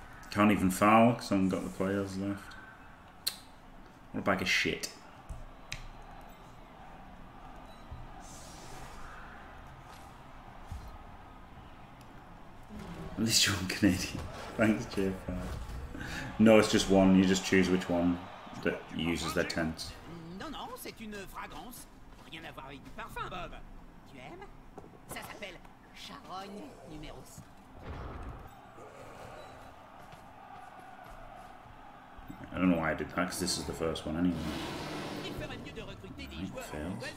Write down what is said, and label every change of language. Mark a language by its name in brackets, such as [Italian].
[English] Can't even foul because I haven't got the players left. What a bag of shit. At least you're one Canadian. Thanks, JF. No, it's just one. You just choose which one that uses their tents. [French] No, no, c'est une fragrance. Rien à voir avec du parfum, Bob. Tu aimes? Ça s'appelle Charogne numéro 5. [English] I don't know why I did that, because this is the first one anyway. [French] Il ferait mieux de recruter des joueurs fails.